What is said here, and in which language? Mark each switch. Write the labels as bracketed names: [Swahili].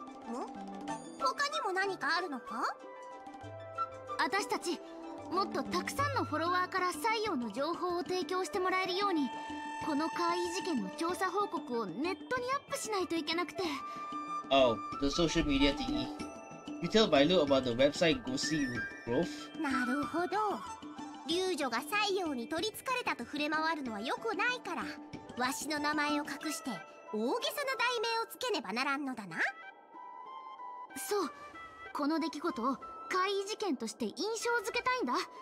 [Japanese] ん？他にも何かあるのか？私たちもっとたくさんのフォロワーから作用の情報を提供してもらえるように、この怪異事件の調査報告をネットにアップしないといけなくて。 [English] Oh, the social media thingy. You tell Bailu about the website Ghostly Grove? [Japanese] なるほど。龍女が西洋に取り憑かれたと触れ回るのはよくないから、わしの名前を隠して大げさな題名をつけねばならんのだな。そう、この出来事を怪異事件として印象付けたいんだ。